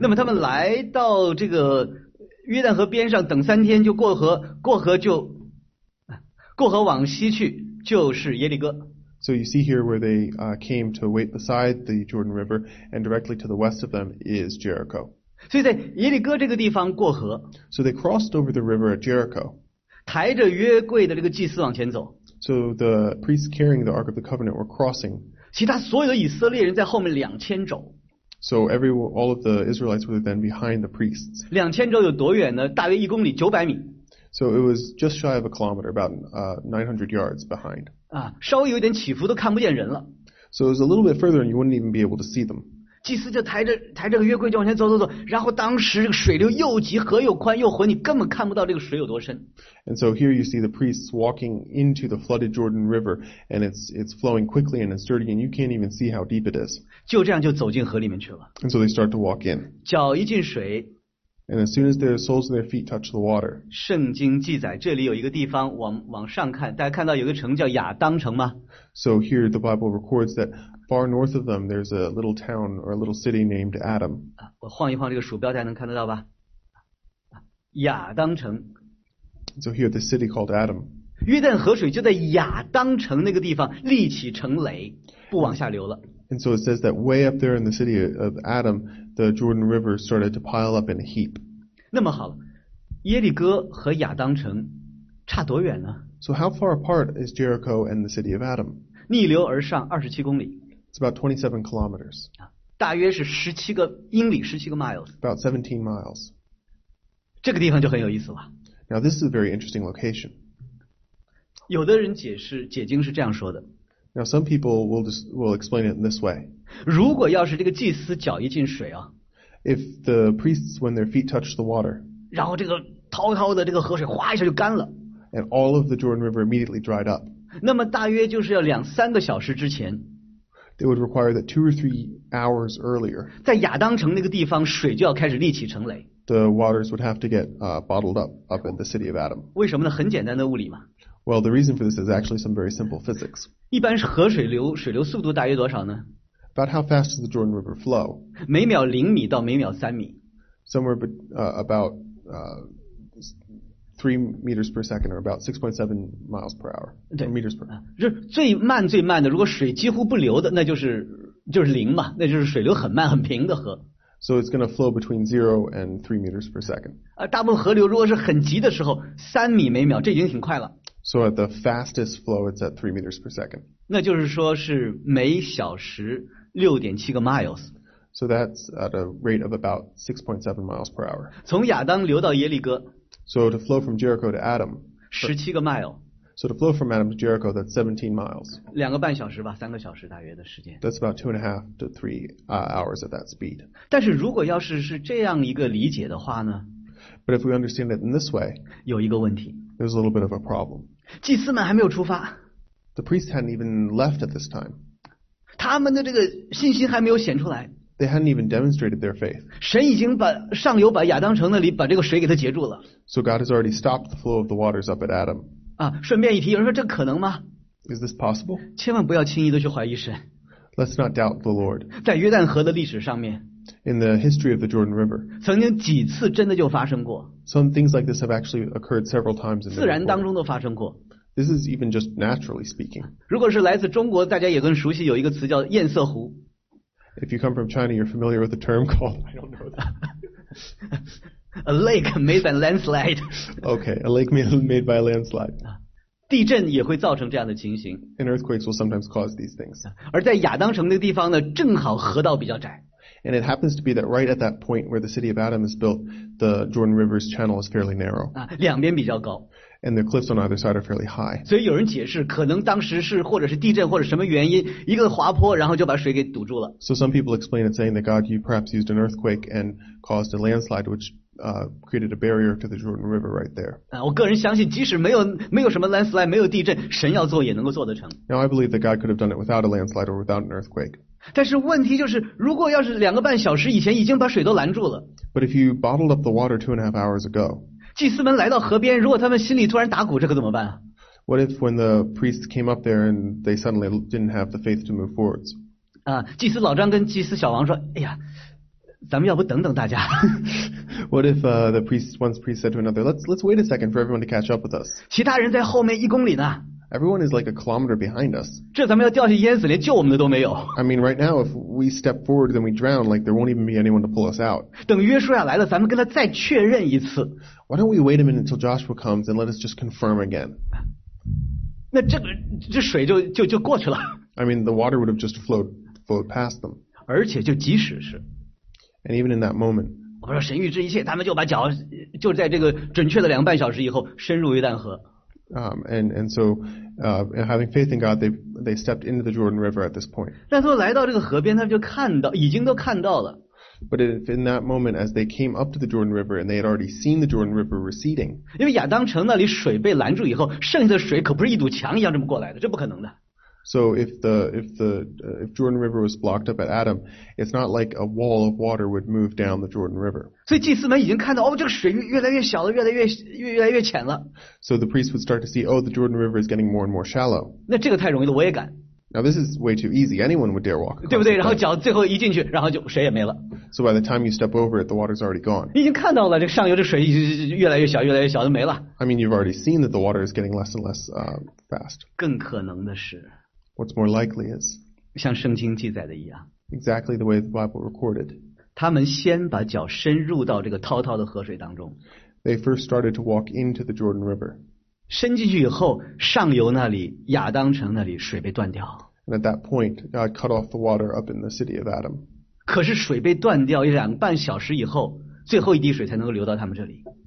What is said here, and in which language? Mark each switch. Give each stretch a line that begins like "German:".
Chinese: 那么他们来到这个约旦河边上，等三天就过河往西去，就是耶利哥。
English: So you see here where they came to wait beside the Jordan River, and directly to the west of them is Jericho.
Chinese: 所以在耶利哥这个地方过河。
English: So they crossed over the river at Jericho.
Chinese: 抬着约柜的这个祭司往前走。
English: So the priests carrying the Ark of the Covenant were crossing.
Chinese: 其他所有的以色列人在后面两千肘。
English: So all of the Israelites were then behind the priests.
Chinese: 两千肘有多远呢？大约一公里，九百米。
English: So it was just shy of a kilometer, about 900 yards behind.
Chinese: 啊，稍微有点起伏都看不见人了。
English: So it was a little bit further, and you wouldn't even be able to see them.
Chinese: 祭司就抬着个约柜就往前走，然后当时这个水流又急，河又宽又浑，你根本看不到这个水有多深。
English: And so here you see the priests walking into the flooded Jordan River, and it's flowing quickly and it's dirty, and you can't even see how deep it is.
Chinese: 就这样就走进河里面去了。
English: And so they start to walk in.
Chinese: 脚一进水。
English: And as soon as their soles of their feet touch the water.
Chinese: 圣经记载这里有一个地方，往上看，大家看到有个城叫亚当城吗
English: ？So here the Bible records that. Far north of them, there's a little town or a little city named Adam.
Chinese: 我晃一晃这个鼠标，大家能看得到吧？亚当城。
English: So here, the city called Adam.
Chinese: 约旦河水就在亚当城那个地方立起成垒，不往下流了。
English: And so it says that way up there in the city of Adam, the Jordan River started to pile up in a heap.
Chinese: 那么好，耶利哥和亚当城差多远呢
English: ？So how far apart is Jericho and the city of Adam?
Chinese: 逆流而上27公里。
English: It's about 27 kilometers.
Chinese: 大约是17个英里17个 miles.
English: About 17 miles.
Chinese: 这个地方就很有意思了。
English: Now this is a very interesting location.
Chinese: 有的人解经是这样说的。
English: Now some people will explain it in this way.
Chinese: 如果要是这个祭司脚一进水啊。
English: If the priests when their feet touch the water.
Chinese: 然后这个滔滔的这个河水哗一下就干了。
English: And all of the Jordan River immediately dried up.
Chinese: 那么大约就是要两三个小时之前。
English: It would require that 2 or 3 hours earlier.
Chinese: 在亚当城那个地方，水就要开始立起成垒。
English: The waters would have to get bottled up in the city of Adam.
Chinese: 为什么呢？很简单的物理嘛。
English: Well, the reason for this is actually some very simple physics.
Chinese: 一般是河水流速度大约多少呢
English: ？About how fast does the Jordan River flow?
Chinese: 每秒零米到每秒三米。
English: Somewhere about 3 meters per second, or about 6.7 miles per hour, or meters per.
Chinese: 就最慢最慢的，如果水几乎不流的，那就是零嘛，那就是水流很慢很平的河。
English: So it's going to flow between 0 and 3 meters per second.
Chinese: 大部分河流如果是很急的时候，三米每秒，这已经挺快了。
English: So at the fastest flow, it's at 3 meters per second.
Chinese: 那就是说是每小时6.7个 miles。
English: So that's at a rate of about 6.7 miles per hour.
Chinese: 从亚当流到耶利哥。
English: So to flow from Jericho to Adam. 17 mile. So to flow from Adam to Jericho, that's 17 miles. 2.5 hours
Chinese: 吧，3个小时大约的时间。
English: That's about 2.5 to 3 hours at that speed.
Chinese: 但是如果要是是这样一个理解的话呢？
English: But if we understand it in this way,
Chinese: 有一个问题。
English: There's a little bit of a problem.
Chinese: 祭司们还没有出发。
English: The priests hadn't even left at this time.
Chinese: 他们的这个信心还没有显出来。
English: They hadn't even demonstrated their faith.
Chinese: 神已经把上游把亚当城那里把这个水给他截住了。
English: So God has already stopped the flow of the waters up at Adam.
Chinese: 啊，顺便一提，有人说这可能吗？
English: Is this possible?
Chinese: 千万不要轻易的去怀疑神。
English: Let's not doubt the Lord.
Chinese: 在约旦河的历史上面。
English: In the history of the Jordan River,
Chinese: 曾经几次真的就发生过。
English: Some things like this have actually occurred several times in the
Chinese: world. 自然当中都发生过。
English: This is even just naturally speaking.
Chinese: 如果是来自中国，大家也更熟悉有一个词叫堰塞湖。
English: If you come from China, you're familiar with the term called. I don't know that. A lake made by landslide. Okay, a lake made by a landslide.
Chinese: 地震也会造成这样的情形。
English: And earthquakes will sometimes cause these things.
Chinese: 而在亚当城那个地方呢，正好河道比较窄。
English: And it happens to be that right at that point where the city of Adam is built, the Jordan River's channel is fairly narrow.
Chinese: 啊，两边比较高。
English: And the cliffs on either side are fairly high.
Chinese: 所以有人解释，可能当时是或者是地震或者什么原因，一个滑坡，然后就把水给堵住了。
English: So some people explain it saying that God perhaps used an earthquake and caused a landslide, which created a barrier to the Jordan River right there.
Chinese: 啊，我个人相信，即使没有什么 landslide, 没有地震，神要做也能够做得成。
English: Now I believe that God could have done it without a landslide or without an earthquake.
Chinese: 但是问题就是，如果要是两个半小时以前已经把水都拦住了。
English: But if you bottled up the water 2.5 hours ago,
Chinese: 祭司们来到河边，如果他们心里突然打鼓，这可怎么办啊
English: ？What if when the priests came up there and they suddenly didn't have the faith to move forwards?
Chinese: 啊，祭司老张跟祭司小王说：“哎呀，咱们要不等等大家。
English: ”What if the priests once priest said to another, "Let's wait a second for everyone to catch up with us."
Chinese: 其他人在后面1公里呢。
English: Everyone is like a kilometer behind us.
Chinese: 这咱们要掉下淹死，连救我们的都没有。
English: I mean, right now, if we step forward, then we drown. Like there won't even be anyone to pull us out.
Chinese: 等约书亚来了，咱们跟他再确认一次。
English: Why don't we wait a minute until Joshua comes and let us just confirm again?
Chinese: 那这水就过去了。
English: I mean, the water would have just flowed past them.
Chinese: 而且就即使是。
English: And even in that moment.
Chinese: 我说神预知一切，他们就把脚就在这个准确的两个半小时以后深入约旦河。
English: And having faith in God, they stepped into the Jordan River at this point.
Chinese: 但是来到这个河边，他们就看到，已经都看到了。
English: But if in that moment, as they came up to the Jordan River and they had already seen the Jordan River receding,
Chinese: 因为亚当城那里水被拦住以后，剩下的水可不是一堵墙一样这么过来的，这不可能的。
English: So if Jordan River was blocked up at Adam, it's not like a wall of water would move down the Jordan River.
Chinese: 所以祭司们已经看到哦，这个水越来越小了，越来越浅了。
English: So the priests would start to see, oh, the Jordan River is getting more and more shallow.
Chinese: 那这个太容易了，我也敢。
English: Now this is way too easy. Anyone would dare walk.
Chinese: 对不对？然后脚最后一进去，然后就水也没了。
English: So by the time you step over it, the water's already gone.
Chinese: 已经看到了这个上游的水越来越小，越来越小，就没了。
English: I mean, you've already seen that the water is getting less and less fast.
Chinese: 更可能的是。
English: What's more likely is
Chinese: 像圣经记载的一样
English: exactly the way the Bible recorded
Chinese: 他们先把脚深入到这个滔滔的河水当中
English: they first started to walk into the Jordan River
Chinese: 伸进去以后上游那里亚当城那里水被断掉
English: and at that point God cut off the water up in the city of Adam
Chinese: 可是水被断掉
English: 2.5 hours
Chinese: 以后最后一滴水才能够流到他们这里